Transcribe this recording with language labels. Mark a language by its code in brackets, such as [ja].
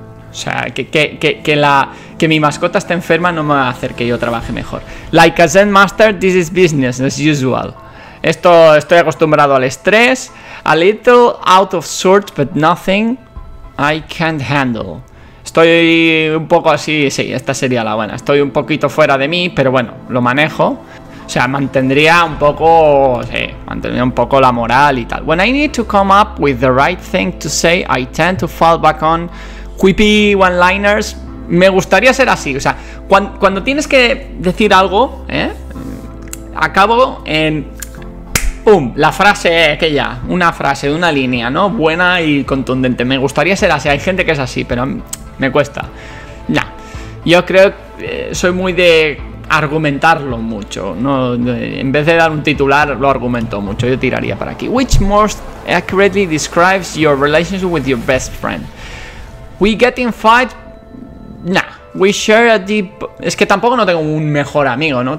[es] O sea, que mi mascota esté enferma no me va a hacer que yo trabaje mejor. [en] Like a Zen Master, this is business as usual. [es] Esto, estoy acostumbrado al estrés. [en] A little out of sorts, but nothing I can't handle. [es] Estoy un poco así, sí, esta sería la buena. Estoy un poquito fuera de mí, pero bueno, lo manejo. O sea, mantendría un poco la moral y tal. [en] When I need to come up with the right thing to say, I tend to fall back on quippy one-liners. [es] Me gustaría ser así, o sea, cuando tienes que decir algo, acabo en... ¡pum! La frase aquella, una frase, una línea, ¿no? Buena y contundente. Me gustaría ser así, hay gente que es así, pero me cuesta. Nah, yo creo que soy muy de argumentarlo mucho, ¿no? En vez de dar un titular, lo argumento mucho, yo tiraría para aquí. [en] Which most accurately describes your relationship with your best friend? We get in fight. Nah, we share a deep... [es] Es que tampoco no tengo un mejor amigo, ¿no?